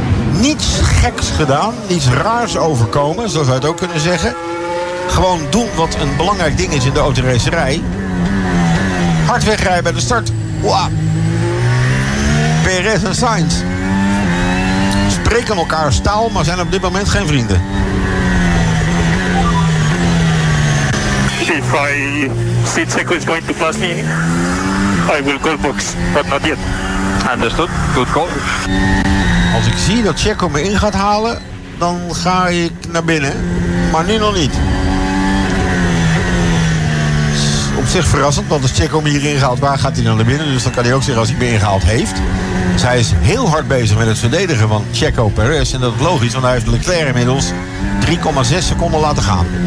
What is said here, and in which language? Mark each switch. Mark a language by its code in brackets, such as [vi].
[nl] Niets geks gedaan, niets raars overkomen, zo zou je het ook kunnen zeggen. Gewoon doen wat een belangrijk ding is in de autoracerij. Hard wegrijden bij de start. Wow. Perez en Sainz spreken elkaar staal, maar zijn op dit moment geen vrienden. [en] If I see Checo is going to pass me, I will call box, but not yet. Understood. Good call. [nl] Als ik zie dat Checo me in gaat halen, dan ga ik naar binnen. Maar nu nog niet. Op zich verrassend, want als Checo me hier ingehaald, waar gaat hij dan naar binnen? Dus dan kan hij ook zeggen als hij me ingehaald heeft. Zij is heel hard bezig met het verdedigen van Checo Perez. En dat is logisch, want hij heeft Leclerc inmiddels 3,6 seconden laten gaan.